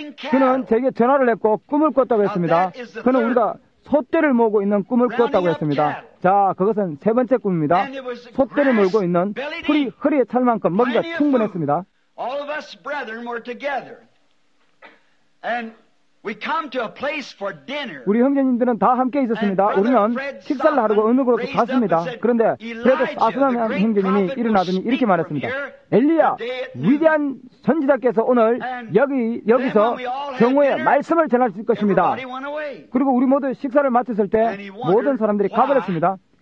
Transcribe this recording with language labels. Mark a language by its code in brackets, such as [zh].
[ko] 그는 제게 전화를 했고 꿈을 꿨다고 했습니다. 그는 우리가 소떼를 모으고 있는 꿈을 꿨다고 했습니다. 자, 그것은 세 번째 꿈입니다. 소떼를 물고 있는 풀이 허리에 찰 만큼 먹이가 충분했습니다. [en] All of us brethren were together. And we come to a place for dinner. [ko] 우리 형제님들은 다 함께 있었습니다. 우리는 식사를 하려고 어느 곳으로 갔습니다. 그런데 브래드 사스나는 형제님이 일어나더니 이렇게 말했습니다. 엘리야, 위대한 선지자께서 오늘 여기서 경호의 말씀을 전하실 것입니다. 그리고 우리 모두 식사를 마쳤을 때 모든 사람들이 가버렸습니다.